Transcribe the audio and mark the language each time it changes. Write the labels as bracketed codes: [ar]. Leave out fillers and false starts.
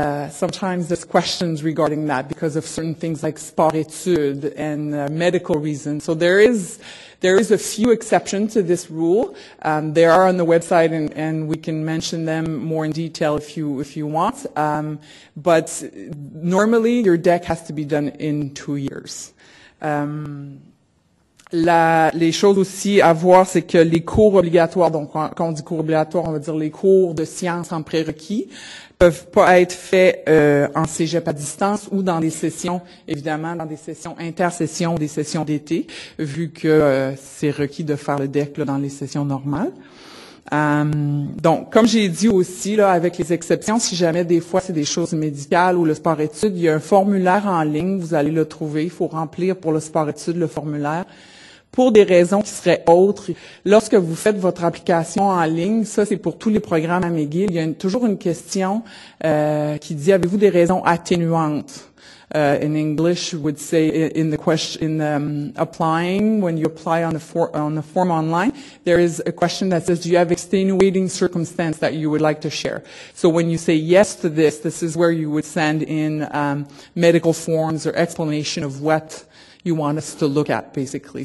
[en] Sometimes there's questions regarding that because of certain things like sport-étude and medical reasons. So there is a few exceptions to this rule. They are on the website and we can mention them more in detail if you want. But normally your deck has to be done in 2 years. [fr] Les choses aussi à voir, c'est que les cours obligatoires, donc quand on dit cours obligatoires, on va dire les cours de sciences en prérequis, peuvent pas être faits en cégep à distance ou dans des sessions, évidemment, dans des sessions intersessions, des sessions d'été, vu que c'est requis de faire le DEC là, dans les sessions normales. Donc, comme j'ai dit aussi, là, avec les exceptions, si jamais des fois c'est des choses médicales ou le sport-études, il y a un formulaire en ligne, vous allez le trouver, il faut remplir pour le sport-études le formulaire. Pour des raisons qui seraient autres, lorsque vous faites votre application en ligne, ça c'est pour tous les programmes à McGill, il y a toujours une question qui dit « avez-vous des raisons atténuantes ?» [en] In English, you would say in the question, in applying, when you apply on the form online, there is a question that says, do you have extenuating circumstances that you would like to share? So when you say yes to this, this is where you would send in medical forms or explanation of what you want us to look at, basically.